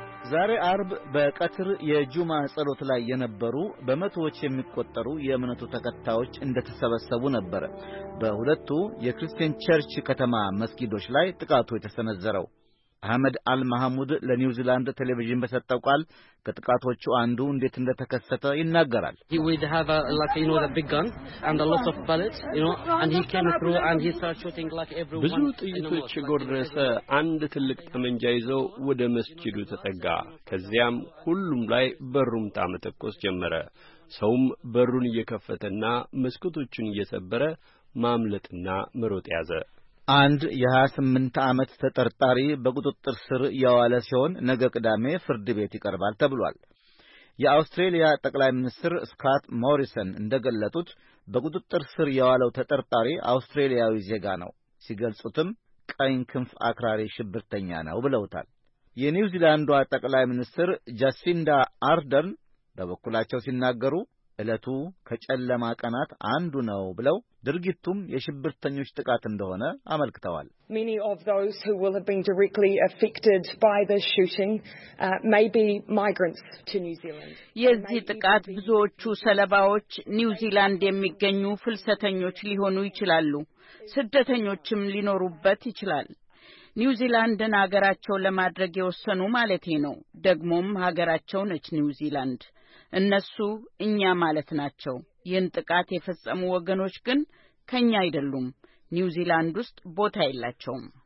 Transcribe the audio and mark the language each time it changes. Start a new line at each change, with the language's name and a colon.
Amharic: ዛሬ አርብ በቀትር የጁማ ጸሎት ላይ የነበሩ በመቶዎች የሚቆጠሩ የእምነቱ ተከታዮች እንደተሰበሰቡ ነበር በሁለቱ የክርስቲያን ቸርች ከተማ መስጊዶች ላይ ጥቃቱ የተሰነዘረው። አህመድ አልማህሙድ ለኒውዚላንድ ቴሌቪዥን በሰጠው ቃል ከጥቃቶቹ አንዱ እንዴት እንደተከሰተ ይናገራል።
English: He would have a big gun and a lot of bullets, and he came through and he started shooting like everyone.
Amharic: ብዙ ጥይቶች ጎረሰ። አንድ ትልቅ ጠመንጃ ይዞ ወደ መስጂዱ ተጠጋ። ከዚያም ሁሉም ላይ በሩም ታመተኮስ ጀመረ። ሰውም በሩን እየከፈተና መስኮቶቹን እየሰበረ ማምለጥና መሮጥ ያዘ። አንድ የ28 ዓመት ተጠርጣሪ በቁጥጥር ስር ያዋለ ሲሆን ነገ ቅዳሜ ፍርድ ቤት ይቀርባል ተብሏል። የአውስትራሊያ ጠቅላይ ሚኒስትር ስካት ሞሪሰን እንደገለጡት በቁጥጥር ስር ያዋለው ተጠርጣሪ አውስትራሊያዊ ዜጋ ነው። ሲገልጹትም ቀኝ ክንፍ አክራሪ ሽብርተኛ ነው ብለውታል። የኒውዚላንዷ ጠቅላይ ሚኒስትር ጃሲንዳ አርደን በበኩላቸው ሲናገሩ እለቱ ከጨለማ ቀናት አንዱ ነው ብለው ድርጊቱም የሽብርተኞች ጥቃት እንደሆነ አመልክተዋል።
English: Many of those who will have been directly affected by the shooting may be migrants to New Zealand.
Amharic: የዚህ ጥቃት ብዙዎቹ ሰለባዎች ኒውዚላንድ የሚገኙ ፍልሰተኞች ሊሆኑ ይችላሉ። ስደተኞችም ሊኖሩበት ይችላል። ኒውዚላንድን ሀገራቸው ለማድረግ የወሰኑ ማለቴ ነው። ደግሞም ሀገራቸው ነች ኒውዚላንድ። እነሱ እኛ ማለት ናቸው። ይህን ጥቃት የፈጸሙ ወገኖች ግን ከኛ አይደሉም። ኒውዚላንድ ውስጥ ቦታ የላቸውም።